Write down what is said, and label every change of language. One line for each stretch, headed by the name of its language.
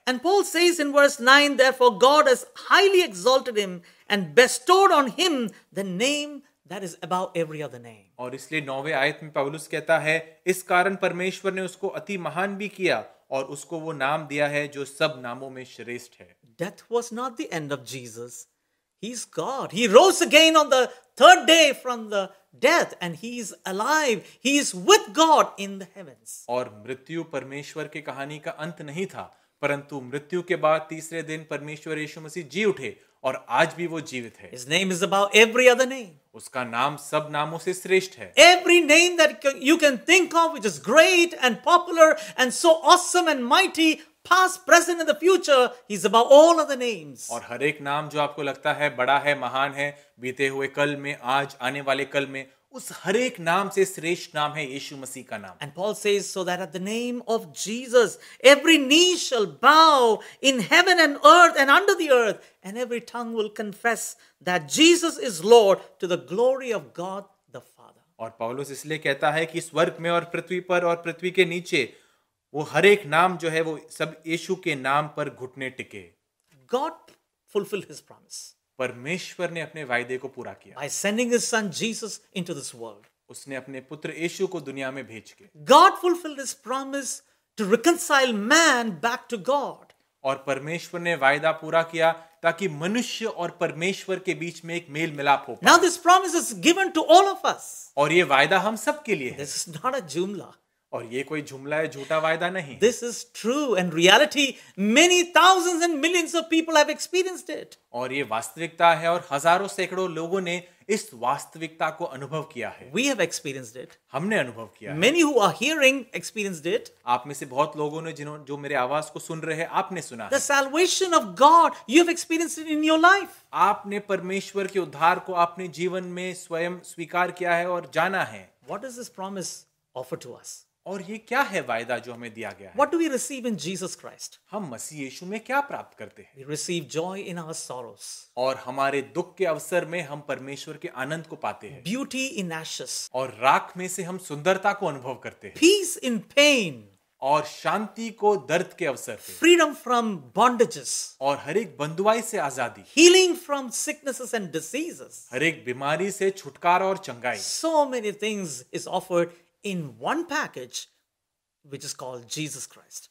English: And Paul says in verse 9, therefore God has highly exalted him and bestowed on him the name That is above every other name.
Hindi: और इसलिए 9वें आयत में पौलुस कहता है, इस कारण परमेश्वर ने उसको अति महान भी किया और उसको वो नाम दिया है जो सब नामों में श्रेष्ठ है.
English: Death was not the end of Jesus. He is God. He rose again on the third day from the death and he is alive. He is with God in the heavens.
Hindi: और मृत्यु परमेश्वर की कहानी का अंत नहीं था, परंतु मृत्यु के बाद तीसरे दिन परमेश्वर यीशु मसीह जी उठे और आज भी वो जीवित है.
English: His name is above every other name.
Hindi: उसका नाम सब नामों से श्रेष्ठ है.
English: Every name that you can think of which is great and popular and so awesome and mighty, past, present and the future, he's above all other names.
Hindi: और हर एक नाम जो आपको लगता है बड़ा है, महान है, बीते हुए कल में, आज, आने वाले कल में, उस हर एक नाम से श्रेष्ठ नाम है यीशु मसीह का नाम.
English: And Paul says so that at the name of Jesus every knee shall bow in heaven and earth and under the earth and every tongue will confess that Jesus is Lord to the glory of God the Father.
Hindi: और पौलुस इसलिए कहता है कि स्वर्ग में और पृथ्वी पर और पृथ्वी के नीचे वो हर एक नाम जो है वो सब यीशु के नाम पर घुटने टिके.
English: God fulfilled his promise.
Hindi: परमेश्वर ने अपने वायदे को पूरा किया.
English: By sending his son Jesus into this world.
Hindi: उसने अपने पुत्र यीशु को दुनिया में भेज के.
English: God fulfilled his promise to reconcile man back to God.
Hindi: और परमेश्वर ने वायदा पूरा किया ताकि मनुष्य और परमेश्वर के बीच में एक मेल मिलाप हो.
English: Now this promise is given to all of us.
Hindi: और ये वायदा हम सब के लिए है.
English: This is not a jumla.
Hindi: और ये कोई जुमला है, झूठा वायदा नहीं.
English: This is true and reality. Many thousands and millions of people have experienced it.
Hindi: और ये वास्तविकता है और हजारों सैकड़ों लोगों ने इस वास्तविकता को अनुभव किया है.
English: We have experienced it.
Hindi: हमने अनुभव किया.
English: Many who are hearing experienced it.
Hindi: आप में से बहुत लोगों ने जो मेरे आवाज को सुन रहे हैं, आपने सुना.
English: The salvation of God, you have experienced it in your life.
Hindi: आपने परमेश्वर के उद्धार को अपने जीवन में स्वयं स्वीकार किया है और जाना है.
English: What does this promise offer to us?
Hindi: और ये क्या है वायदा जो हमें दिया गया है?
English: What do we receive in Jesus Christ?
Hindi: हम मसीह यीशु में क्या प्राप्त करते हैं?
English: We receive joy in our sorrows.
Hindi: और हमारे दुख के अवसर में हम परमेश्वर के आनंद को पाते हैं.
English: Beauty in ashes.
Hindi: और राख में से हम सुंदरता को अनुभव करते हैं.
English: Peace in pain.
Hindi: और शांति को दर्द के अवसर.
English: Freedom from bondages.
Hindi: और हर एक बंधुआई से आजादी.
English: Healing from sicknesses and diseases.
Hindi: हर एक बीमारी से छुटकारा और चंगाई.
English: So many things is offered in one package which is called Jesus Christ.